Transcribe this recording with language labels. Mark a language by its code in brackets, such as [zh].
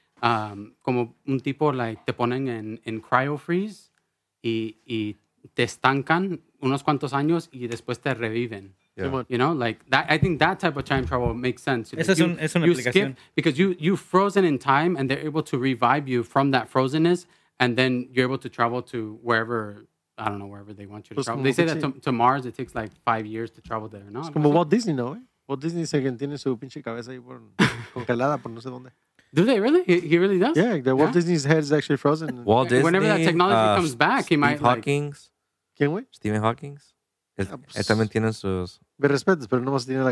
[es] como un tipo, like, te ponen en cryo freeze y te estancan unos cuantos años y después te reviven. [en] Yeah. You know, like, that. I think that type of time travel makes sense. [es] Esa es una aplicación. skip [en] because you've frozen in time and they're able to revive you from that frozenness and then you're able to travel to wherever, I don't know, wherever they want you to travel. They say that to Mars, it takes, like, 5 years to travel there, no? [es] Es como Walt Disney, ¿no? Walt Disney se tiene su pinche cabeza ahí congelada por no sé dónde. [en] Do they really? He really does? Yeah, Walt Disney's head is actually frozen. Walt Disney. Whenever that technology comes back, Stephen he might. Hawking's. Like... Can we? [es] Stephen Hawking's. Él también tiene sus. Me respetas, pero no más tiene la